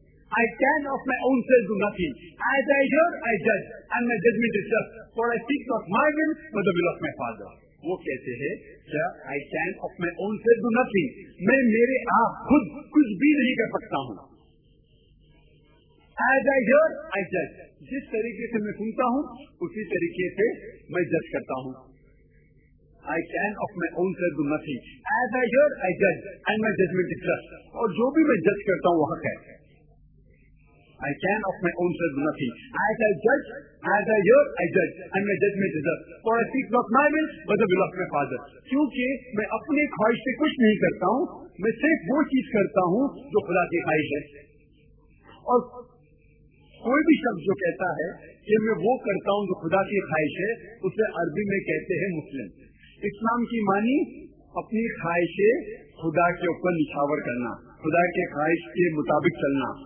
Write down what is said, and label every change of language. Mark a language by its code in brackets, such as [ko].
[en] I can of my own self do nothing. As I hear, I judge. And my judgment is just. For I seek not my will, but the will of my Father. [hi] वो कहते हैं क्या [en] I can of my own से do nothing, [hi] मैं मेरे आप खुद कुछ भी नहीं कर सकता हूँ. [en] as I here I जज, [hi] जिस तरीके से मैं सुनता हूँ उसी तरीके से मैं जज करता हूँ. [en] I can of my own से do nothing, as I here I जज and my judgement is just, [hi] और जो भी मैं जज करता हूँ वह हक है. [en] I can of my own self do nothing. As I judge, as I hear, I judge. And my judgment is just. For I seek not my will, but the will of my Father. [hi] क्योंकि मैं अपने ख्वाहिश से कुछ नहीं करता हूँ, मैं सिर्फ वो चीज करता हूँ जो खुदा की ख्वाहिश है. और कोई भी शब्द जो कहता है कि मैं वो करता हूँ जो खुदा की ख्वाहिश है, उसे अरबी में कहते हैं मुस्लिम. इस्लाम की मानी अपनी ख्वाहिशें खुदा के ऊपर निछावर करना, खुदा के ख्वाहिश के मुताबिक चलना.